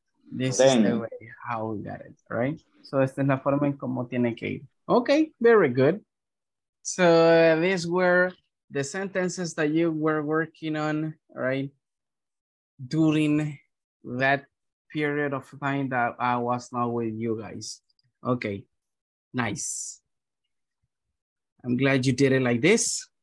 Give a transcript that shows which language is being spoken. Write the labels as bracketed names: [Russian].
[English] This Dang. Is the way how we got it, right? [Spanish] So, esta es la forma en cómo tiene que ir. [English] Okay, very good. So, these were the sentences that you were working on, right? During that period of time that I was not with you guys. Okay, nice. I'm glad you did it like this.